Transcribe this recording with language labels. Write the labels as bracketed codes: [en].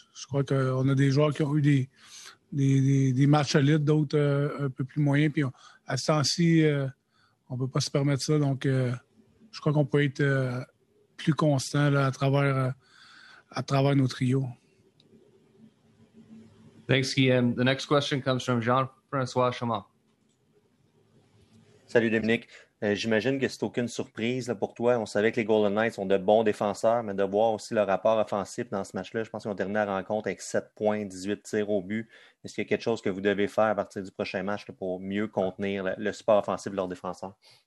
[fr] Je crois qu'on a des joueurs qui ont eu des matchs élites, d'autres un peu plus moyens. Puis à ce temps-ci, on ne peut pas se permettre ça. Donc, je crois qu'on peut être plus constants là, à travers nos trios. [en] Thanks, Guillaume. The next question comes from Jean-François Chamard. [fr] Salut Dominique. J'imagine que c'est aucune surprise là, pour toi. On savait que les Golden Knights sont de bons défenseurs, mais de voir aussi leur rapport offensif dans ce match-là, je pense qu'ils ont terminé la rencontre avec 7 points, 18 tirs au but. Est-ce qu'il y a quelque chose que vous devez faire à partir du prochain match là, pour mieux contenir le support offensif de leurs défenseurs?